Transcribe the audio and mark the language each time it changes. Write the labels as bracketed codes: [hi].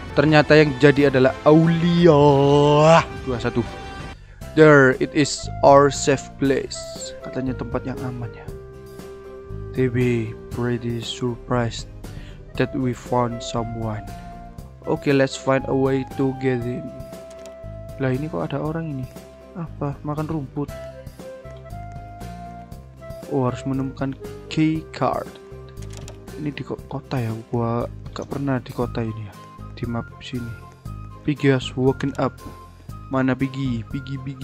[id] Ternyata yang jadi adalah Aulia. 2-1. [en] There it is, our safe place. [id] Katanya tempat yang aman ya. [en] TB pretty surprised that we found someone. Okay, let's find a way to get in. [id] Lah ini kok ada orang ini? Apa? Makan rumput. Oh, harus menemukan key card. Ini di kota ya? Gua gak pernah di kota ini ya. Di map sini. [en] Piggy has woken up. [id] Mana Piggy? Piggy.